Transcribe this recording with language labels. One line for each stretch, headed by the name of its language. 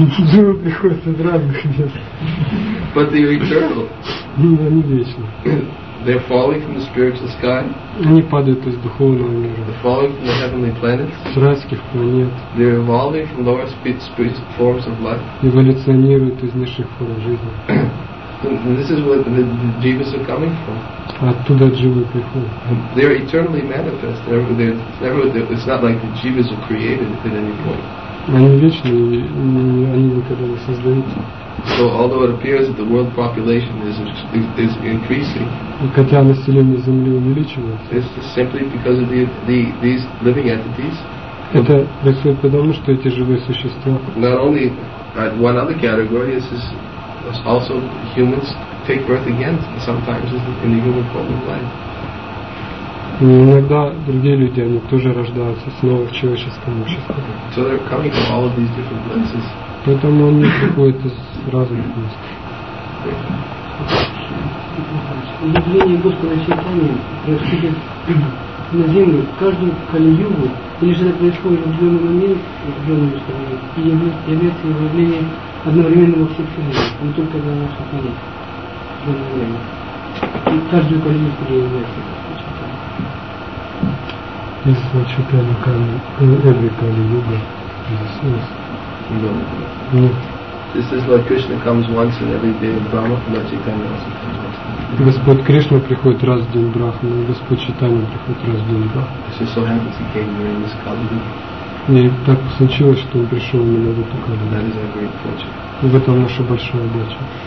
Russian: Jeebы приходят из разных мест.
English: But they are eternal.
Russian: Ну, они вечны.
English: They are falling from the spiritual sky.
Russian: Они падают из духовного мира.
English: They are falling from the heavenly planets.
Russian: С райских планет.
English: They are evolving from lower spiritual forms of life.
Russian: Эволюционируют из низших форм жизни.
English: And this is where the jivas are coming from.
Russian: Оттуда дживы приходят.
English: They are eternally manifest. It's not like the jivas are created at any point.
Russian: Они вечны, они никогда не создаются.
English: So although it appears that the world population is increasing,
Russian: хотя население Земли увеличивается,
English: it's simply because of these living entities.
Russian: Это происходит потому, что эти живые существа.
English: Not only at one other category, this is. Also, humans take birth again sometimes in the human form of life.
Russian: Иногда другие люди, они тоже рождаются снова в человеческом обществе. So they're coming from all of these different places. Поэтому они приходят из разных мест. Явление Господа Чайтаньи происходит на Землю каждую Кали-Югу, или же это происходит в определенный момент, в определенном состоянии, и является явлением одновременно во всех Вселенных, не только на наших планетах, в данное время. И каждую Кали-Югу переявляется. Если Чайтаньи Кали-Юга, Кали-Юга, Иисус.
English: This is like Krishna comes once in every day in Brahma, Lord Chaitanya also comes once.
Russian: Господь Кришна приходит раз в день в Брахму, Господь Чайтанья приходит раз в день в Брахму.
English: This is so happens he came during this Kali-Yuga.
Russian: И так случилось, что он пришел именно в эту Кали-Югу.
English: That is a great fortune.
Russian: И в этом наша большая удача.